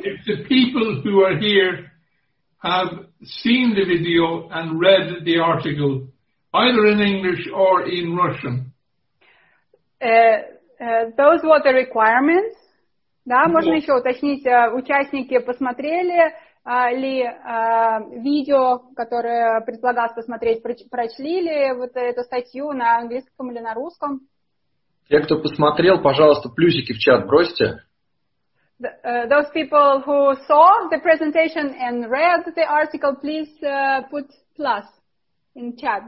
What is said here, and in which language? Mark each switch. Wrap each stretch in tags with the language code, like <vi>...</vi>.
<en>if the people who are here have seen the video and read the article, either in English or in Russian? Those were the requirements.</en> <ru>Да, можно еще уточнить, участники посмотрели ли видео, которое предлагалось посмотреть, прочли ли вот эту статью на английском или на русском? Те, кто посмотрел, пожалуйста, плюсики в чат бросьте.</ru> <en>Those people who saw the presentation and read the article, please put plus in chat.</en>